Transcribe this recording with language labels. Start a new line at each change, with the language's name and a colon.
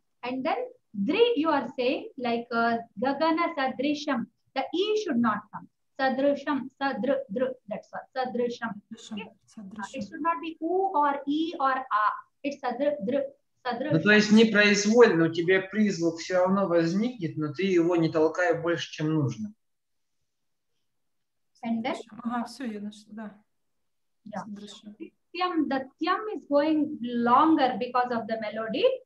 English: And then dri, you are saying like gagana sadrisham, the e should not come. Sadrisham, sadru, that's what, sadrisham. Okay? It should not be u or e or a, it's sadru.
Russian: Ну, то есть непроизвольно, у тебя призвук все равно возникнет, но ты его не толкай больше, чем нужно.
English: And then?
Russian: Ага, все, я нашла, да.
English: Yeah. Nityam, the tyam is going longer because of the melody.